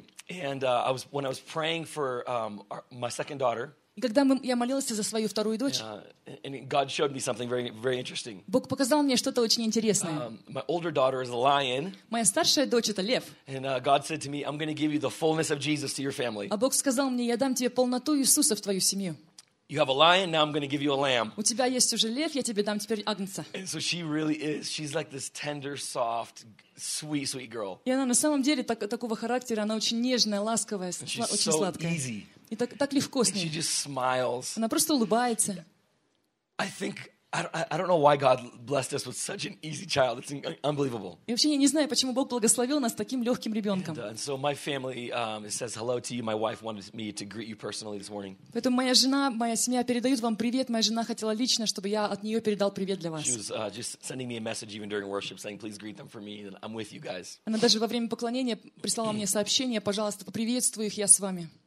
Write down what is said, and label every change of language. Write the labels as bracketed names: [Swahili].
[English] When I was praying for my second daughter, [Russian] когда я молился за свою вторую дочь, [English] and God showed me something very, very interesting. [Russian] Бог показал мне что-то очень интересное. [English] My older daughter is a lion. [Russian] Моя старшая дочь это лев. [English] And God said to me, I'm going to give you the fullness of Jesus to your family. [Russian] А Бог сказал мне, я дам тебе полноту Иисуса в твою семью. [English] You have a lion, now I'm going to give you a lamb. [Russian] У тебя есть уже лев, я тебе дам теперь агнца. [English] And so she really is. She's like this tender, soft, sweet, sweet girl. [Russian] И она на самом деле такого характера, она очень нежная, ласковая, очень сладкая. [English] And she's so easy. [Russian] И так легко с ней. [English] And she just smiles. [Russian] Она просто улыбается. [English] I think I don't know why God blessed us with such an easy child. It's unbelievable. [Russian] И вообще я не знаю, почему Бог благословил нас таким легким ребенком. [English] And so my family says hello to you. My wife wanted me to greet you personally this morning. [Russian] Поэтому моя жена, моя семья передают вам привет. Моя жена хотела лично, чтобы я от нее передал привет для вас. [English] She was just sending me a message even during worship, saying please greet them for me. And I'm with you guys. [Russian] Она даже во время поклонения прислала мне сообщение, пожалуйста, поприветствуй их, я с вами.